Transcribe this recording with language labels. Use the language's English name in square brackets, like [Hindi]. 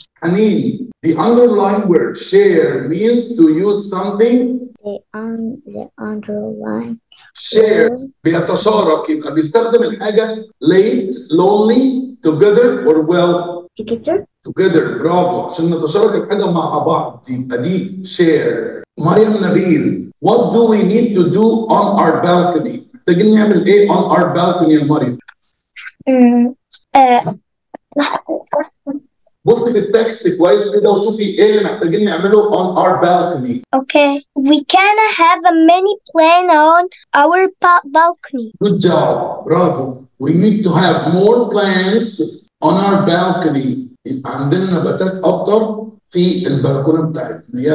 [English] Hanin, the underlying word share means to use something. The underlying. Share. [Arabic] بيتشارك يبقى بيستخدم الحاجة [English] late, lonely, together or well. Together. [Arabic] Bravo. عشان نتشارك الحاجة مع بعض يبقى دي share. مريم نبيل. [English] What do we need to do on our balcony? [Arabic] تجي نعمل إيه [English] on our balcony [Arabic] يا مريم؟ بصي بالتكست كويس كده وشوفي ايه اللي محتاجين نعمله on our balcony. [English] Okay. We can have a mini plan on our balcony. Good job. Bravo. We need to have more plants on our balcony. [Arabic] عندنا نباتات اكتر في البلكونة بتاعتنا.